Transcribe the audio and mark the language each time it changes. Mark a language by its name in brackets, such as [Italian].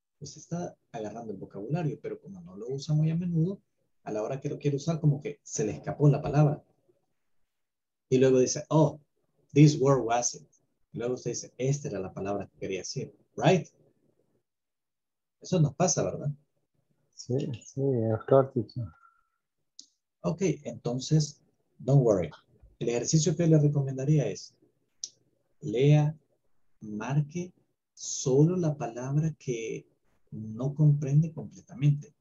[Spanish] Usted está agarrando el vocabulario, pero como no lo usa muy a menudo, a la hora que lo quiere usar, como que se le escapó la palabra. Y luego dice, [English] oh, this word was it. [Spanish] Y luego usted dice, esta era la palabra que quería decir. Right? Eso nos pasa, ¿verdad? Sí, sí, es cortito. Ok, entonces, [English] don't worry. [Spanish] El ejercicio que le recomendaría es, lea, marque solo la palabra que no comprende completamente.